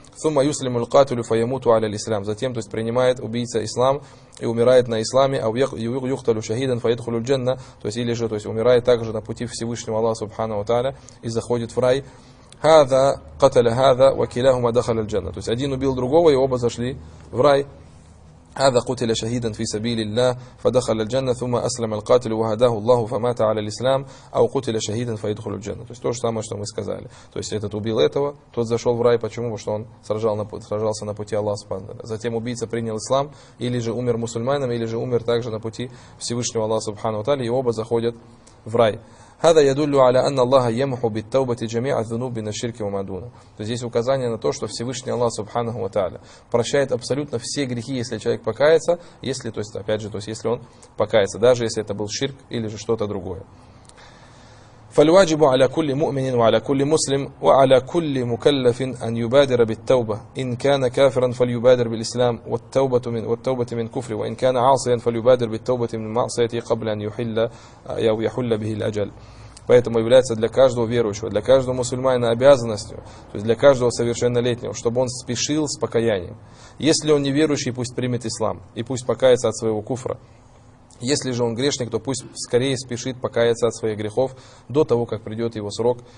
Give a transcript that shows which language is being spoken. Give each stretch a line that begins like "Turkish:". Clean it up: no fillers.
Arabic: Сумма юслиму аль-катилю фаямуту аля-ислам.
Russian: Затем, то есть принимает убийца ислам и умирает на исламе,
Arabic: а юхталю шахидан фаядхулю джанна.
Russian: То есть или же, то есть умирает также на пути Всевышнего Аллаха субхану тааля и заходит в рай.
Arabic: Хаза каталя хаза, ва киляхума дахаля аль-джанна.
Russian: То есть один убил другого, и оба зашли в рай.
Arabic: هذا قتل شهيدا في سبيل الله فدخل الجنة ثم أسلم القاتل وهداه الله فمات على الإسلام أو قتل شهيدا فيدخل الجنة.
Russian: То есть то же самое, что мы сказали. То есть этот убил этого, тот зашел в рай. Почему? Потому что он сражался на пути Аллаха Субханаху ва Тааля. Затем убийца принял ислам, или же умер мусульманином, или же умер также на пути Всевышнего Аллаха Субханаху ва Тааля, и оба заходят в рай.
Arabic: هذا يدل على أن الله يمحو بالتوبة جميع الذنوب من الشرك وما دونه.
Russian: То есть указание на то, что Всевышний Аллах Субханаху ва Тааля прощает абсолютно все грехи, если человек покается, если, то есть опять же, то есть если он покается, даже если это был ширк или же что-то другое.
Arabic: فالواجب على كل مؤمن وعلى كل مسلم وعلى كل مكلف أن يبادر بالتوبة إن كان كافرا فليبادر بالإسلام والتوبة من كفر وإن كان عاصيا فليبادر بالتوبة من معصيته قبل أن يحل أو يحل به الأجل.
Russian: Поэтому является для каждого верующего, для каждого мусульманина обязанностью, то есть для каждого совершеннолетнего, чтобы он спешил с покаянием. Если он неверующий, пусть примет ислам и пусть покается от своего куфра. Если же он грешник, то пусть скорее спешит покаяться от своих грехов до того, как придет его срок.